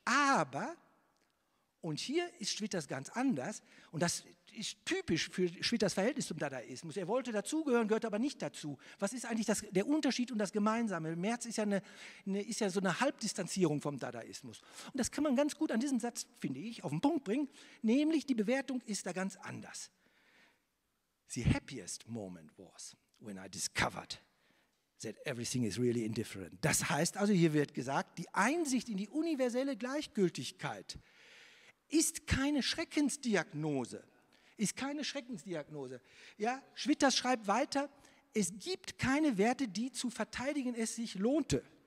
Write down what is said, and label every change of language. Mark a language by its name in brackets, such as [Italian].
[German] Aber, und hier ist Schwitters ganz anders, und das ist typisch für Schwitters Verhältnis zum Dadaismus. Er wollte dazugehören, gehört aber nicht dazu. Was ist eigentlich der Unterschied und das Gemeinsame? Merz ist ja so eine Halbdistanzierung vom Dadaismus. Und das kann man ganz gut an diesem Satz, finde ich, auf den Punkt bringen, nämlich die Bewertung ist da ganz anders. [English] The happiest moment was when I discovered that everything is really indifferent. [German] Das heißt also, hier wird gesagt, die Einsicht in die universelle Gleichgültigkeit ist keine Schreckensdiagnose. Ist keine Schreckensdiagnose. Ja, Schwitters schreibt weiter, es gibt keine Werte, die zu verteidigen es sich lohnte.